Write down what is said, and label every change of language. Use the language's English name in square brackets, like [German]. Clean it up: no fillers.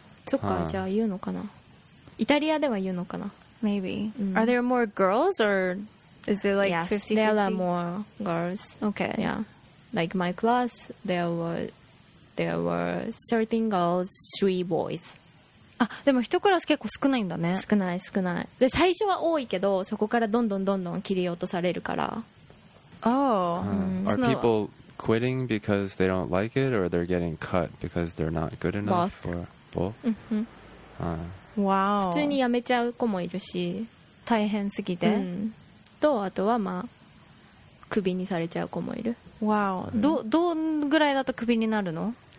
[Japanese] そっか、じゃあ言うのかな。イタリアでは言うのかな。 [English] Maybe.、うん、are there more girls or is it like 50-50? Yes, there are more girls. Okay. Yeah. Like my class, there were 13 girls, 3 boys. [Japanese] あ、でも一クラス結構少ないんだね。少ない少ない。で、最初は多いけど、そこからどんどんどんどん切り落とされるから。 [English] Oh.、 Are people quitting because they don't like it or they're getting cut because they're not good enough? Both. Or both?、 Wow. [Japanese] 普通に辞めちゃう子もいるし、大変すぎて、うん、とあとはまあクビにされちゃう子もいる。わお、どんぐらいだとクビになるの？